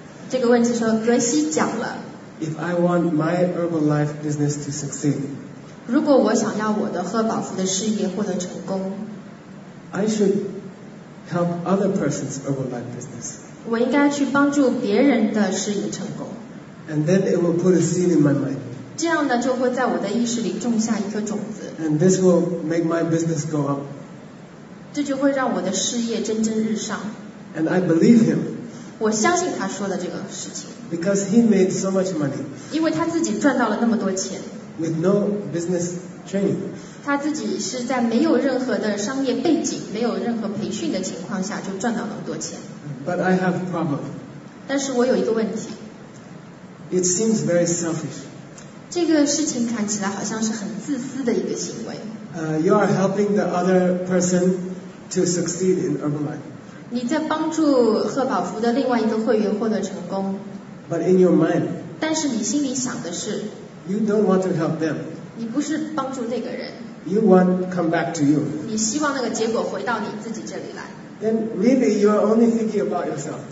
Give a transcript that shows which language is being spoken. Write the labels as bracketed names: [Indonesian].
[Chinese] 这个问题说格西讲了。 [English] If I want my Herbalife business to succeed, [Chinese] 如果我想要我的赫宝福的事业获得成功， [English] I should help other person's Herbalife business. [Chinese] 我应该去帮助别人的事业成功。 [English] And then it will put a seed in my mind. [Chinese] 这样呢就会在我的意识里种下一颗种子。 [English] And this will make my business go up. [Chinese] 这就会让我的事业蒸蒸日上。 [English] And I believe him. [Chinese] 我相信他说的这个事情。 [English] Because he made so much money. [Chinese] 因为他自己赚到了那么多钱。 [English] With no business training. [Chinese] 他自己是在没有任何的商业背景、没有任何培训的情况下就赚到那么多钱。 [English] But I have a problem. [Chinese] 但是我有一个问题。 [English] It seems very selfish. [Chinese] 这个事情看起来好像是很自私的一个行为。 [English] You are helping the other person to succeed in Herbalife. [Chinese] 你在帮助赫宝福的另外一个会员获得成功。 [English] But in your mind, [Chinese] 但是你心里想的是 [English] you don't want to help them. [Chinese] 你不是帮助那个人。 [English] You want come back to you. [Chinese] 你希望那个结果回到你自己这里来。 [English] Then really you are only thinking about yourself.